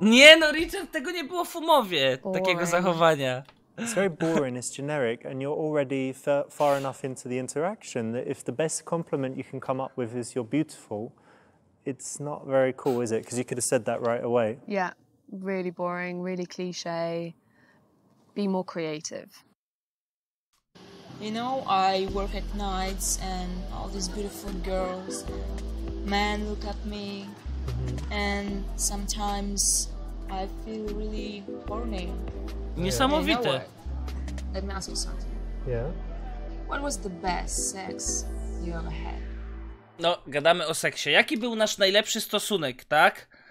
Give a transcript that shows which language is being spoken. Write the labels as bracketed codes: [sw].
[pl] Nie, no Richard, tego nie było w umowie, [en] boring. [pl] Takiego zachowania. [en] It's very boring, it's generic, and you're already far enough into the interaction that if the best compliment you can come up with is you're beautiful, it's not very cool, is it? Because you could have said that right away. Yeah, really boring, really cliche. Be more creative. You know, I work at nights and all these beautiful girls, men look at me. And sometimes I feel really horny. [pl] Niesamowite. [en] Let me ask you something. Yeah. What was the best sex you ever had? [pl] No, gadamy o seksie. Jaki był nasz najlepszy stosunek, tak?